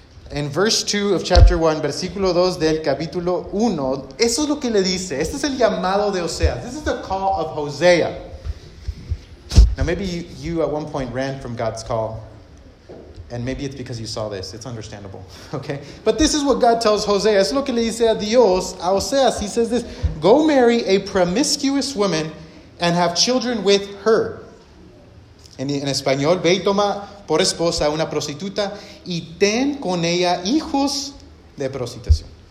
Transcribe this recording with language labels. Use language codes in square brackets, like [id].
[en] In verse 2 of chapter 1, [es] versículo 2 del capítulo 1. Eso es lo que le dice. Este es el llamado de Oseas. [en] This is the call of Hosea. Now, maybe you at one point ran from God's call. And maybe it's because you saw this. It's understandable. Okay? But this is what God tells Hosea. [es] Es lo que le dice a Dios, a Oseas. [en] He says this. Go marry a promiscuous woman and have children with her. [es] En español, ve y toma por esposa una prostituta y ten con ella hijos de prostitución.